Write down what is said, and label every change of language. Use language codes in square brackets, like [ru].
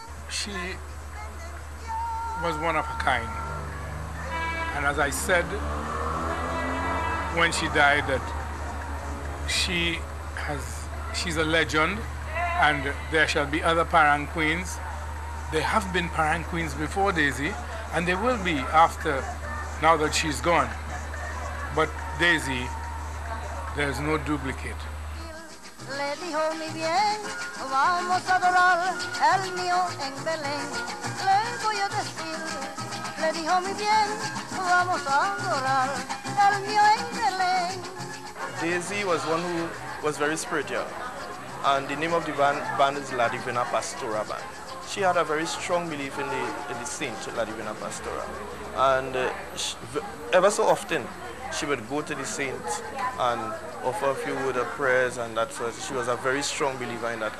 [en] She was one of a kind. And as I said, when she died, that she's a legend, and there shall be other Paran queens. There have been Paran queens before Daisy, and there will be after, now that she's gone. But Daisy, there's no duplicate. [es] Le dijo mi bien, vamos a adorar el mío en Belén. Le voy a decir, le dijo mi bien, vamos a adorar el mío en Belén. [en] Daisy was one who was very spiritual, and the name of the band is La Divina Pastora Band. She had a very strong belief in the saint, La Divina Pastora, and ever so often, she would go to the saint and offer a few words of prayers, and that was, she was a very strong believer in that.